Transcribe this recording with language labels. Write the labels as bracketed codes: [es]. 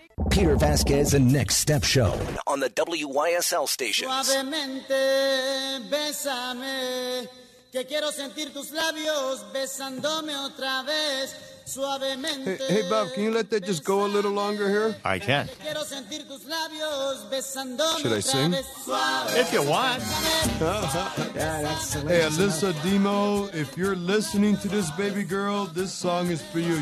[en] Peter Vasquez and Next Step Show on the WYSL stations. [es] Suavemente, bésame, que quiero sentir tus labios besándome otra vez. [en] Hey, hey, Bob, can you let that just go a little longer here? I can. Should I sing? If you want. Yeah, that's hey, Alyssa Demo, if you're listening to this, baby girl, this song is for you.